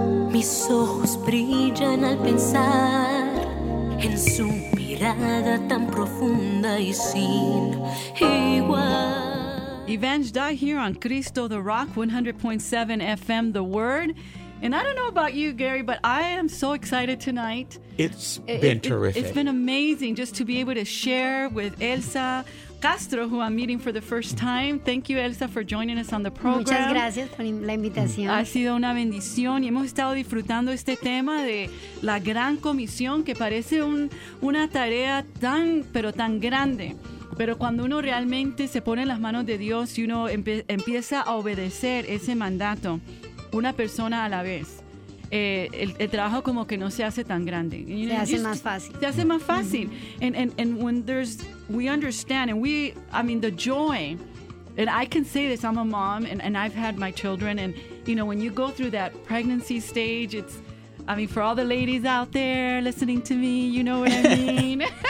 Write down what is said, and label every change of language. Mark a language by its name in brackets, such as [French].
[Spanish] Mis ojos brillan al pensar en su mirada tan profunda y sin igual. [English] Evange Dye here on Cristo the Rock, 100.7 FM, The Word. And I don't know about you, Gary, but I am so excited tonight. It's been terrific. It's been amazing just to be able to share with Elsa Castro, who I'm meeting for the first time. Thank you, Elsa, for joining us on the program. [Spanish] Muchas gracias por la invitación. Ha sido una bendición y hemos estado disfrutando este tema de la gran comisión, que parece una tarea tan grande. Pero cuando uno realmente se pone en las manos de Dios y uno empieza a obedecer ese mandato, una persona a la vez, el trabajo como que no se hace tan grande. Se hace más fácil. Mm-hmm. [English] And when there's, we understand, and we, I mean, the joy, and I can say this, I'm a mom, and I've had my children, and, you know, when you go through that pregnancy stage, it's, I mean, for all the ladies out there listening to me, you know what I mean?